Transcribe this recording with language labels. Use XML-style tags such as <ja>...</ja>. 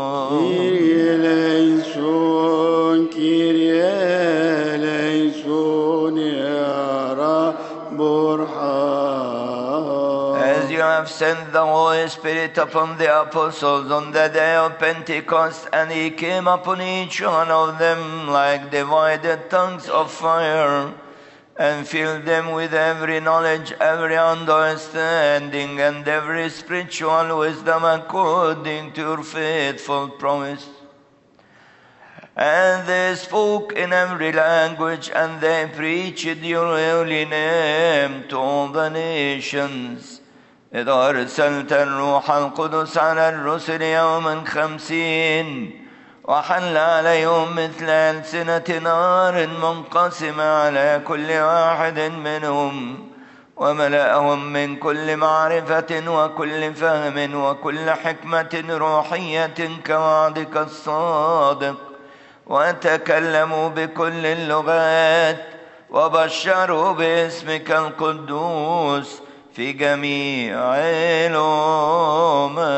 <el>كيريا ليسون، كيريا ليسون</el> <ar>يا رب ارحم.</ar> <en>As you have sent the Holy Spirit upon the apostles on the day of Pentecost, and he came upon each one of them like divided tongues of fire, and filled them with every knowledge, every understanding, and every spiritual wisdom according to your faithful promise. And they spoke in every language, and they preached your holy name to all the nations.</en> <ar>إذ أرسلت الروح القدس على الرسل يوما خمسين وحل عليهم مثل ألسنة نار منقسمة على كل واحد منهم وملأهم من كل معرفة وكل فهم وكل حكمة روحية كوعدك الصادق وتكلموا بكل اللغات وبشروا باسمك القدوس في جميع الأمم.</ar>